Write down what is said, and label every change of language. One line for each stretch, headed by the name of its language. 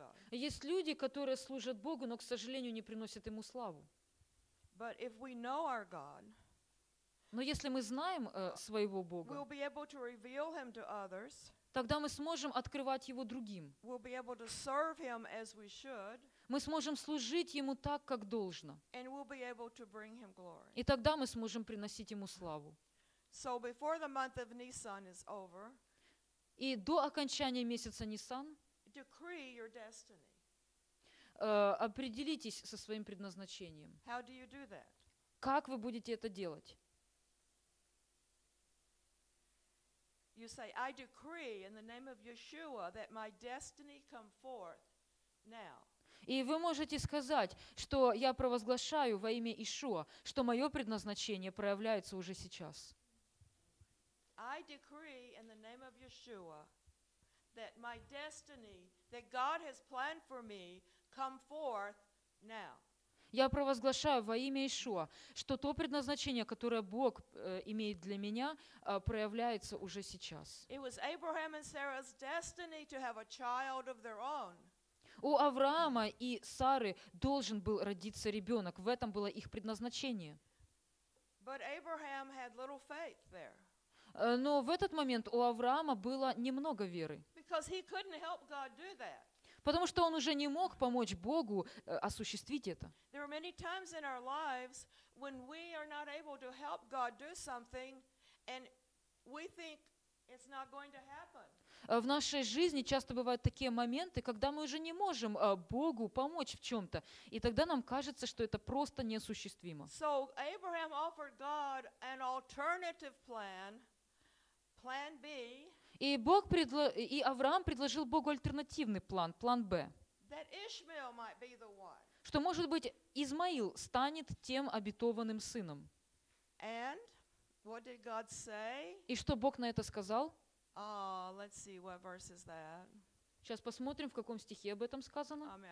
Russian: Есть люди, которые служат Богу, но, к сожалению, не приносят Ему славу.
English: But if we know our God,
Russian: но если мы знаем своего Бога,
English: we'll be able to reveal Him to others,
Russian: тогда мы сможем открывать Его другим.
English: We'll be able to serve Him as we should.
Russian: Мы сможем служить Ему так, как должно.
English: And we'll be able to bring Him glory.
Russian: И тогда мы сможем приносить Ему славу.
English: So before the month of Nisan is over,
Russian: и до окончания месяца Нисан,
English: decree your destiny.
Russian: Определитесь со своим предназначением.
English: How do you do that?
Russian: Как вы будете это делать?
English: You say, I decree in the name of Yeshua that my destiny come forth now.
Russian: И вы можете сказать, что я провозглашаю во имя Ишуа, что мое предназначение проявляется уже сейчас.
English: I decree in the name of Yeshua that my destiny that God has planned for me come forth now.
Russian: Я провозглашаю во имя Ишуа, что то предназначение, которое Бог имеет для меня, проявляется уже сейчас.
English: It was Abraham and Sarah's destiny to have a child of their own.
Russian: У Авраама и Сары должен был родиться ребенок. В этом было их предназначение.
English: But Abraham had little faith there.
Russian: Но в этот момент у Авраама было немного веры.
English: Because he couldn't help God do that.
Russian: Потому что он уже не мог помочь Богу осуществить это.
English: There are many times in our lives when we are not able to help God do something and we think it's not going to happen.
Russian: В нашей жизни часто бывают такие моменты, когда мы уже не можем Богу помочь в чем-то, и тогда нам кажется, что это просто неосуществимо.
English: So Abraham offered God an alternative plan, plan B.
Russian: И Авраам предложил Богу альтернативный план, план Б.
English: That Ishmael might be the one.
Russian: Что, может быть, Измаил станет тем обетованным сыном.
English: And what did God say?
Russian: И что Бог на это сказал?
English: Let's see what verse is that.
Russian: Сейчас посмотрим, в каком стихе об этом сказано.